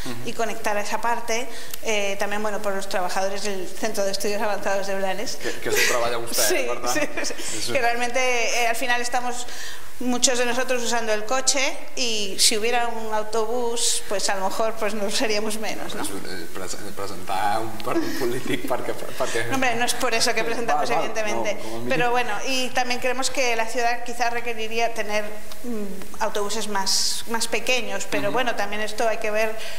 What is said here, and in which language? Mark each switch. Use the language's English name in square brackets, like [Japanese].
[Spanish] Y conectar a esa parte, también, bueno, por los trabajadores del Centro de Estudios Avanzados de Blanes. Que se trabaja usted, sí, ¿verdad? Sí, sí. Que realmente al final estamos muchos de nosotros usando el coche y si hubiera un autobús, pues a lo mejor pues nos seríamos menos, ¿no? [Catalan] Presentar un partit polític perquè... [Spanish] No, hombre, no es por eso que presentamos, evidentemente. No, pero bueno, y también creemos que la ciudad quizás requeriría tener autobuses más pequeños, pero bueno, también esto hay que ver.